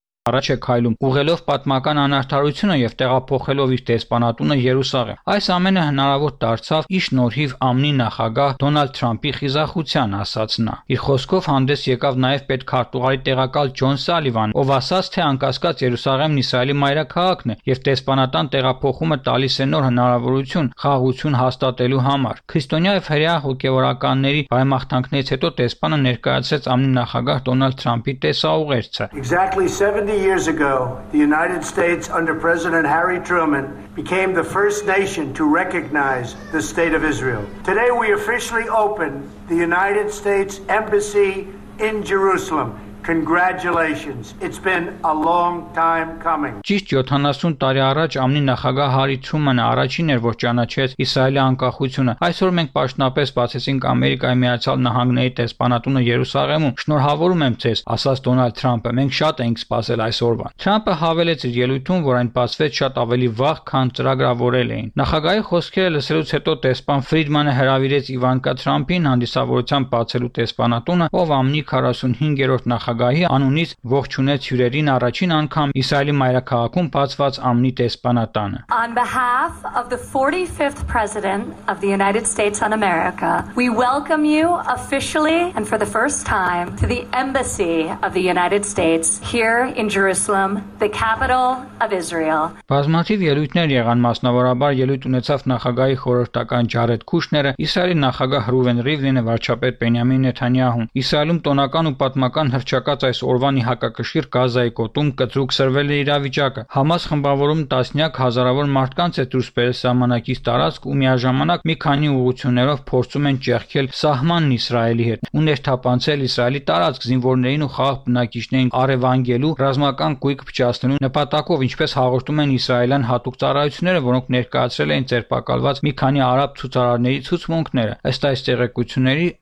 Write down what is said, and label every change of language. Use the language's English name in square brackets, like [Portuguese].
[Armenian] առաջ է քայլում, ուղղելով պատմական անարդարությունը և տեղափոխելով իր դեսպանատունը Երուսաղեմ։ Այս ամենը հնարավոր դարձավ ի շնորհիվ ԱՄՆ-ի նախագահ Դոնալդ Թրամփի խիզախության, ասաց նա։ Իր խոսքով հանդես եկավ նաև պետքարտուղարի տեղակալ Ջոն Սալիվան, ով ասաց, թե անկասկած Երուսաղեմն Իսրայելի մայրաքաղաքն է և դեսպանատան տեղափոխումը տալիս է նոր հնարավորություն խաղաղություն հաստատելու համար։ Քրիստոնյա և հրեա հոգևորականների բարեմաղթանքներից հետո դեսպանը ներկայացրեց ԱՄՆ-ի նախագահ Դոնալդ Թրամփի տեսաուղերձը։ [English] 70 years ago, the United States, under President Harry Truman, became the first nation to recognize the State of Israel. Today, we officially open the United States Embassy in Jerusalem. Congratulations. It's been a long time coming. [Armenian] Ճիշտ 70 տարի առաջ ԱՄՆ-ի նախագահ Հարի Թրումանը առաջինն էր, որ ճանաչեց Իսրայելի անկախությունը։ Այսօր մենք պաշտոնապես բացեցինք Ամերիկայի Միացյալ Նահանգների դեսպանատունը Երուսաղեմում։ Շնորհավորում եմ ձեզ, ասաց Դոնալդ Թրամփը։ Մենք շատ ենք սպասել այս օրվան։ Թրամփը հավելեց իր ելույթում, որ այն բացվեց շատ ավելի վաղ, քան ծրագրավորել էին։ Նախագահի խոսքերը լսելուց հետո դեսպան Ֆրիդմանը հրավիրեց Իվանկա Թրամփին հանդիսավորության բացելու դեսպանատունը, ով ԱՄՆ-ի 45-րդ նախագահ նախագահի անունից ողջ ունեց հյուրերին առաջին անգամ Իսրայելի մայրաքաղաքում բացված ԱՄՆ-ի դեսպանատանը. [English] On behalf of the 45th President of the United States of America, we welcome you officially and for the first time to the Embassy of the United States here in Jerusalem, the capital of Israel. [Armenian] Բազմաթիվ ելույթներ եղան, մասնավորաբար ելույթ ունեցավ նախագահի խորհրդական Ջարեդ Քուշները, Իսրայելի նախագահ Ռուվեն Ռիվլինը, վարչապետ Բենյամին Նեթանյահուն։ Իսրայելում տոնական ու պատմական հռչակած այս օրվանի հակակշիռ Գազայի կոտում կծրուկ սրվել է իրավիճակը։ Համաս խմբավորում տասնյակ հազարավոր մարդկանց է դուրս բերել սահմանակից տարածք ու միաժամանակ մի քանի ուղություններով փորձում են ճեղքել սահմանն Իսրայելի հետ ու ներթափանցել Իսրայելի տարածք զինվորներին ու խաղաղ բնակիչներին արևանգելու ռազմական կույք փչացնելու նպատակով, ինչպես հաղորդում են իսրայելյան հատուկ ծառայությունները, որոնք ներկայացրել էին ձերբակալված մի քանի արաբ ցուցարարների ցուցմունքները։ Ըստ այս տեղեկությունների,